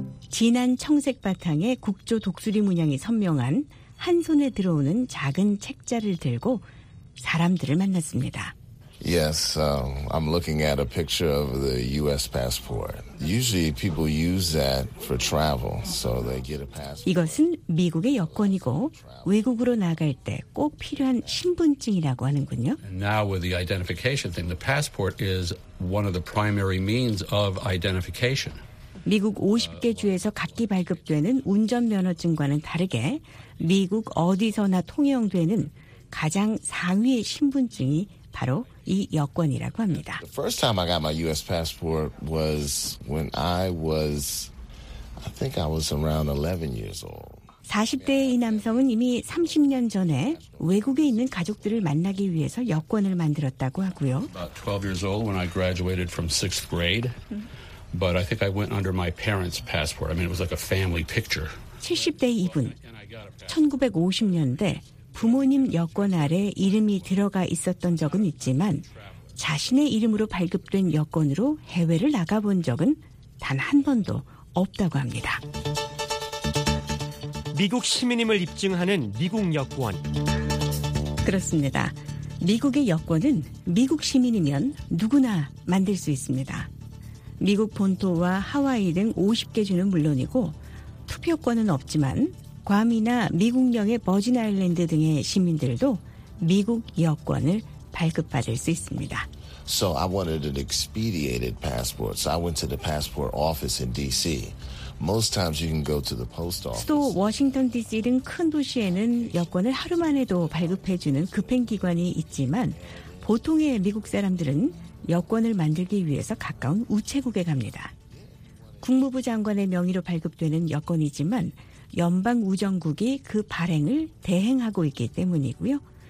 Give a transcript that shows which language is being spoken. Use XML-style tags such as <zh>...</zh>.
<ko>진한 청색 바탕에 국조 독수리 문양이 선명한 한 손에 들어오는 작은 책자를 들고 사람들을 만났습니다.</ko> <en>Yes, I'm looking at a picture of the U.S. passport. Usually people use that for travel, so they get a passport.</en> <ko>이것은 미국의 여권이고 외국으로 나갈 때 꼭 필요한 신분증이라고 하는군요.</ko> <en>And now with the identification thing, the passport is one of the primary means of identification.</en> <ko>미국 50개 주에서 각기 발급되는 운전면허증과는 다르게 미국 어디서나 통용되는 가장 상위의 신분증이 바로 이 여권이라고 합니다.</ko> <en>The first time I got my U.S. passport was when I think I was around 11 years old.</en> <ko>40대의 이 남성은 이미 30년 전에 외국에 있는 가족들을 만나기 위해서 여권을 만들었다고 하고요.</ko> <en>About 12 years old when I graduated from sixth grade. But I think I went under my parents' passport. I mean, it was like a family picture.</en> <ko>70대 이분, 1950년대 부모님 여권 아래 이름이 들어가 있었던 적은 있지만 자신의 이름으로 발급된 여권으로 해외를 나가본 적은 단 한 번도 없다고 합니다. 미국 시민임을 입증하는 미국 여권. 그렇습니다. 미국의 여권은 미국 시민이면 누구나 만들 수 있습니다. 미국 본토와 하와이 등 50개 주는 물론이고 투표권은 없지만 괌이나 미국령의 버진 아일랜드 등의 시민들도 미국 여권을 발급받을 수 있습니다.</ko> <en>So I wanted an expedited passport. So I went to the passport office in D.C. Most times you can go to the post office.</en> <ko>수도 워싱턴 D.C. 등 큰 도시에는 여권을 하루만에도 발급해주는 급행기관이 있지만 보통의 미국 사람들은 여권을 만들기 위해서 가까운 우체국에 갑니다. 국무부 장관의 명의로 발급되는 여권이지만 연방 우정국이 그 발행을 대행하고 있기 때문이고요.</ko>